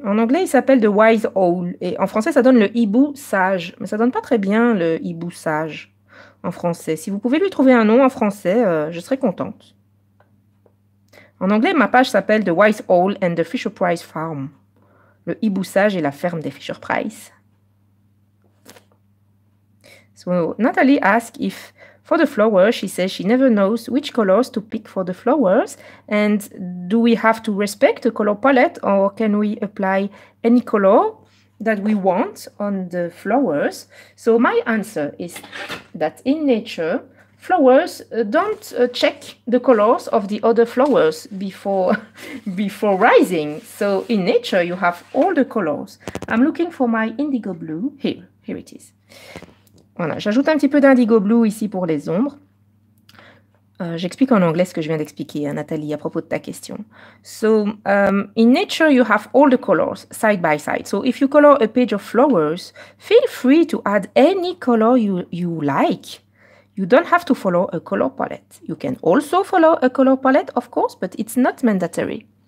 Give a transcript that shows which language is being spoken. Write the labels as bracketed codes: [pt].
[fr] En anglais, il s'appelle The Wise Owl. Et en français, ça donne le hibou sage. Mais ça donne pas très bien le hibou sage en français. Si vous pouvez lui trouver un nom en français, je serais contente. En anglais, ma page s'appelle The Wise Owl and the Fisher Price Farm. Le hibou sage et la ferme des Fisher Price. [en] So, Nathalie asks if for the flowers, she says she never knows which colors to pick for the flowers. And do we have to respect the color palette or can we apply any color that we want on the flowers? So, my answer is that in nature, flowers don't check the colors of the other flowers before rising. So in nature, you have all the colors. I'm looking for my indigo blue. Here it is. [fr] Voilà, j'ajoute un petit peu d'indigo blue ici pour les ombres. J'explique en anglais ce que je viens d'expliquer, hein, Nathalie, à propos de ta question. [en] So in nature, you have all the colors side by side. So if you color a page of flowers, feel free to add any color you like. You don't have to follow a color palette. You can also follow a color palette, of course, but it's not mandatory.